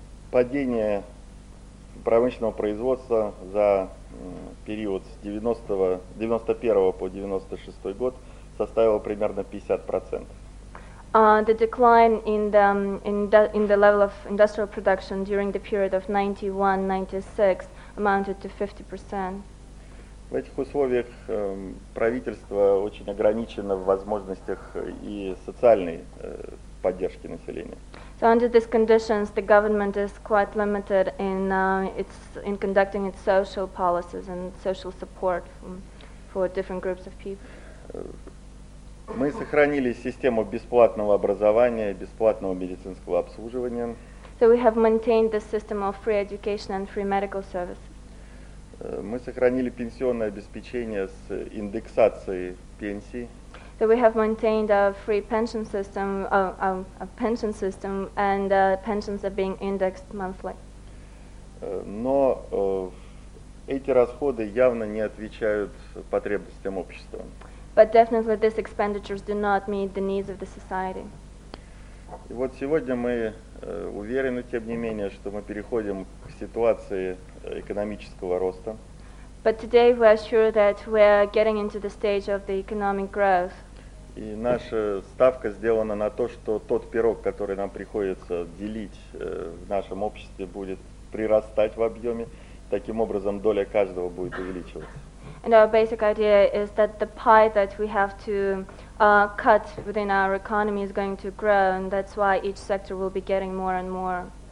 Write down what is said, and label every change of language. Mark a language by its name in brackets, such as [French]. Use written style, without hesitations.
[Russian] Падение промышленного производства за период с 91 по 96 год составило примерно 50%. [English] The decline in the level of industrial production during the period of 91-96 amounted to 50%. [Russian] В этих условиях правительство очень ограничено в возможностях и социальной поддержки населения. [English] So under these conditions, the government is quite limited in conducting its social policies and social support for different groups of people. [Russian] Мы сохранили систему бесплатного образования, бесплатного медицинского обслуживания. [English] So we have maintained the system of free education and free medical services. [Russian] Мы сохранили пенсионное обеспечение с индексацией пенсии. [English] So we have maintained a free pension system, a pension system, and pensions are being indexed monthly. [Russian] Но эти расходы явно не отвечают потребностям общества. [English] But definitely these expenditures do not meet the needs of the society. [Russian] И вот сегодня мы уверены, тем не менее, что мы переходим к ситуации экономического роста. [English] But today we are sure that we are getting into the stage of the economic growth. [Russian] И наша ставка сделана на то, что тот пирог, который нам приходится делить в нашем обществе, будет прирастать в объеме. Таким образом, доля каждого будет увеличиваться. [English] And our basic idea is that the pie that we have to cut within our economy is going to grow, and that's why each sector will be getting more and more.